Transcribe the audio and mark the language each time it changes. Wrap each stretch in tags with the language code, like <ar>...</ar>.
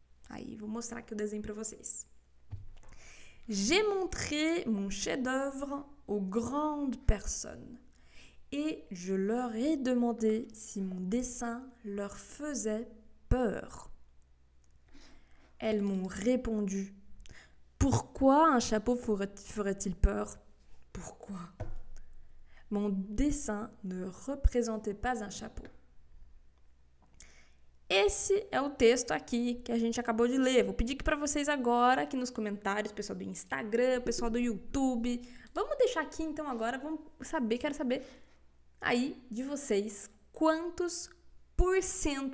<pt>Aí, vou mostrar aqui o desenho para vocês.</pt> <fr>J'ai montré mon chef-d'œuvre aux grandes personnes et je leur ai demandé si mon dessin leur faisait peur. Elles m'ont répondu. Pourquoi un chapeau ferait-il peur? Pourquoi? Mon dessin ne représentait pas un chapeau.</fr> <pt>Esse é o texto aqui que a gente acabou de ler. Vou pedir aqui para vocês agora, aqui nos comentários, pessoal do Instagram, pessoal do YouTube. Vamos deixar aqui então agora, vamos saber, quero saber aí de vocês quantos por cento.</pt>